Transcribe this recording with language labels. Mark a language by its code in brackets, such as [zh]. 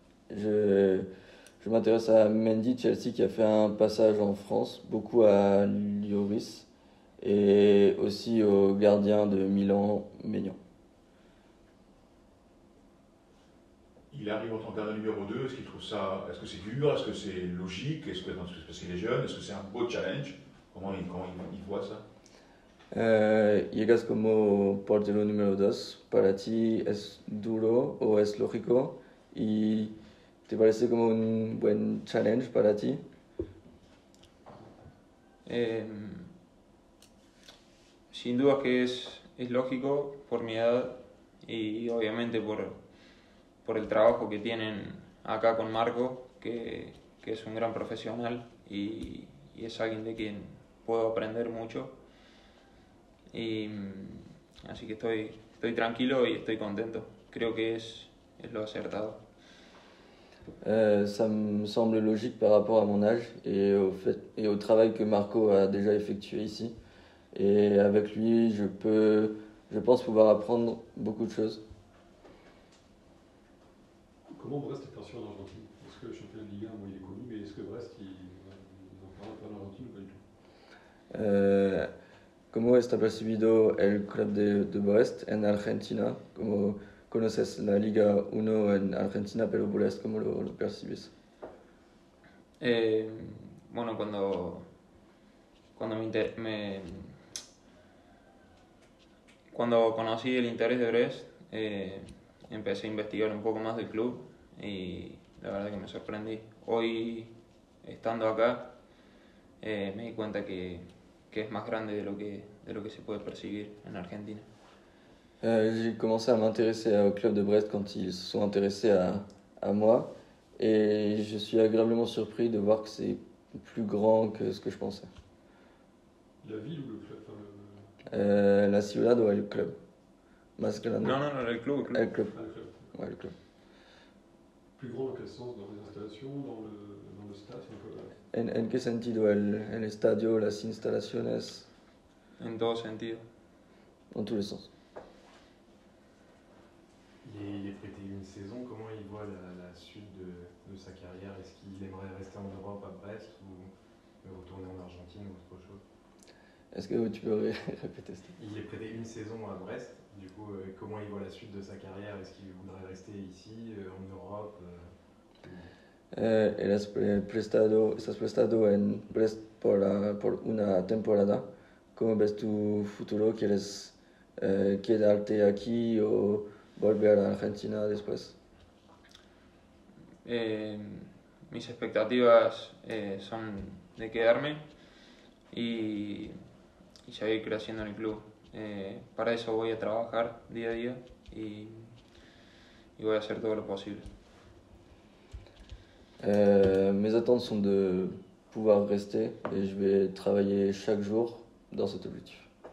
[fr] Je m'intéresse à Mendy Chelsea qui a fait un passage en France, beaucoup à Lloris et aussi au gardien de Milan, Maignan. Il arrive en tant que gardien numéro 2, est-ce qu'il trouve ça, est-ce que c'est dur, est-ce que c'est logique, est-ce que c'est parce qu'il est jeune, est-ce que c'est un beau challenge, comment il voit ça? [es] Llegas como portero número 2, ¿para ti es duro o es lógico? ¿Y te parece como un buen challenge para ti? Sin duda que es lógico por mi edad y obviamente por el trabajo que tienen acá con Marco, que es un gran profesional y es alguien de quien puedo aprender mucho. Y así que estoy tranquilo y estoy contento. Creo que es lo acertado. [fr] Ça me semble logique par rapport à mon âge et au travail que Marco a déjà effectué ici. Et avec lui, je pense pouvoir apprendre beaucoup de choses. Comment Brest est perçu en Argentine? Est-ce que le championnat de Ligue 1, il est connu, mais est-ce que Brest, il en parle pas en Argentine ou pas du tout? [es] ¿Cómo está percibido el club de Brest en Argentina? ¿Cómo conoces la Liga 1 en Argentina, pero Brest, cómo lo percibes? Bueno, cuando conocí el interés de Brest, empecé a investigar un poco más del club y la verdad que me sorprendí. Hoy, estando acá, me di cuenta que es más grande de lo que se puede percibir en Argentina. [fr] J'ai commencé à m'intéresser au club de Brest quand ils se sont intéressés à moi et je suis agréablement surpris de voir que c'est plus grand que ce que je pensais. La ville ou le club? [es] La ciudad [fr] ou le club? [es] Más grande. [fr] Non, le club. [es] El club. Ah, [fr] ouais, le club. Plus grand en quel sens? Dans les installations, dans le stade? [es] En qué sentido? El estadio, las instalaciones? En todo sentido. [fr] En tous les sens. Il est prêté une saison, comment il voit la suite de sa carrière? Est-ce qu'il aimerait rester en Europe à Brest ou retourner en Argentine ou autre chose? Est-ce que tu peux répéter ça? Il est prêté une saison à Brest, du coup, comment il voit la suite de sa carrière? Est-ce qu'il voudrait rester ici, en Europe? Il est [es] prestado en [fr] Brest pour une [es] temporada. ¿Cómo ves tu futuro? ¿Quieres quedarte aquí o volver a Argentina después? Mis expectativas son de quedarme y seguir creciendo en el club. Para eso voy a trabajar día a día y voy a hacer todo lo posible. [fr] Mes attentes sont de pouvoir rester et je vais travailler chaque jour dans cet objectif.